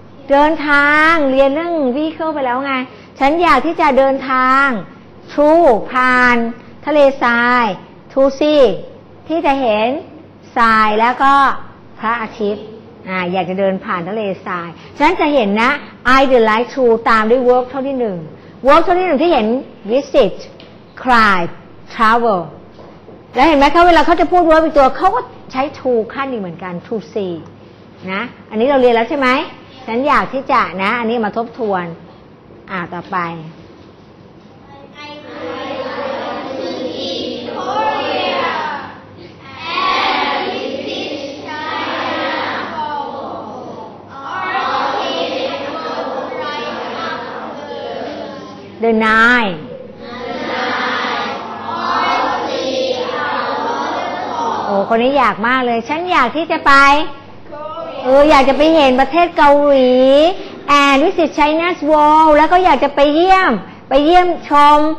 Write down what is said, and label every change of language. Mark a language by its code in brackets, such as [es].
[th] เดินทางเรียนเรื่อง vehicle ไปแล้วไงฉันอยากที่จะเดินทาง through ผ่านทะเลทราย [en] to see [th] ที่จะเห็นทรายแล้วก็พระอาทิตย์อยากจะเดินผ่านทะเลทรายฉันจะเห็นนะ [en] I'd like to [th] ตามด้วย verb ท่อนที่หนึ่ง verb ท่อนที่หนึ่งที่เห็น [en] visit cry travel [th] แล้วเห็นไหมเขาเวลาเขาจะพูด verb อีกตัวเขาก็ใช้ to ขั้นอีกเหมือนกัน [en] to see [th] นะอันนี้เราเรียนแล้วใช่ไหมฉันอยากที่จะนะอันนี้มาทบทวนต่อไป [en] I would like to eat Korea and visit China or all in the world right after the nine [th] โอ้คนนี้อยากมากเลยฉันอยากที่จะไป [en] Korea. [th] อยากจะไปเห็นประเทศเกาหลี [en] and visit China's wall [th] แล้วก็อยากจะไปเยี่ยมชม